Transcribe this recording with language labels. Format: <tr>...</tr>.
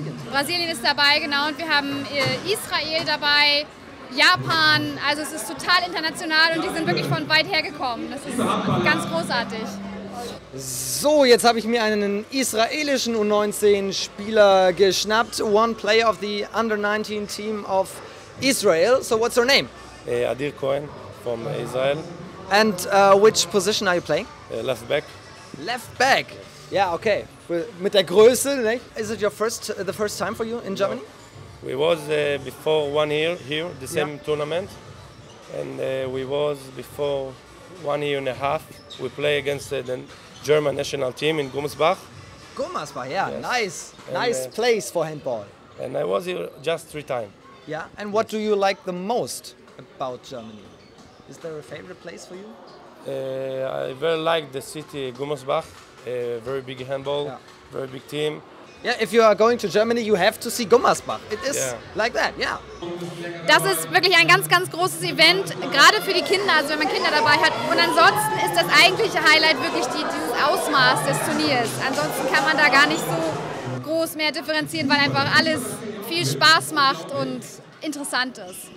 <de>Brasilien ist dabei, genau. Und wir haben Israel dabei. Japan, also es ist total international und die sind wirklich von weit her gekommen. Das ist ganz großartig. So, jetzt habe ich mir einen israelischen U19-Spieler geschnappt.</de> <en>One player of the Under-19 team of Israel. So, what's your name? Adir Cohen from Israel. And which position are you playing? Left back. Left back? Yeah, okay.</en> <de>Mit der Größe, nicht?</de> <en>Is it the first time for you in Germany? No. We was before 1 year here, the same tournament, and we was before 1.5 years, we play against the German national team in Gummersbach. Gummersbach, yeah, yes. nice place for handball. And I was here just 3 times. Yeah, and what do you like the most about Germany? Is there a favorite place for you? I very like the city Gummersbach, very big handball, very big team. Yeah, if you are going to Germany, you have to see Gummersbach. It is like that, yeah.</en> <de>Das ist wirklich ein ganz, ganz großes Event, gerade für die Kinder, also wenn man Kinder dabei hat. Und ansonsten ist das eigentliche Highlight wirklich dieses Ausmaß des Turniers. Ansonsten kann man da gar nicht so groß mehr differenzieren, weil einfach alles viel Spaß macht und interessant ist.</de>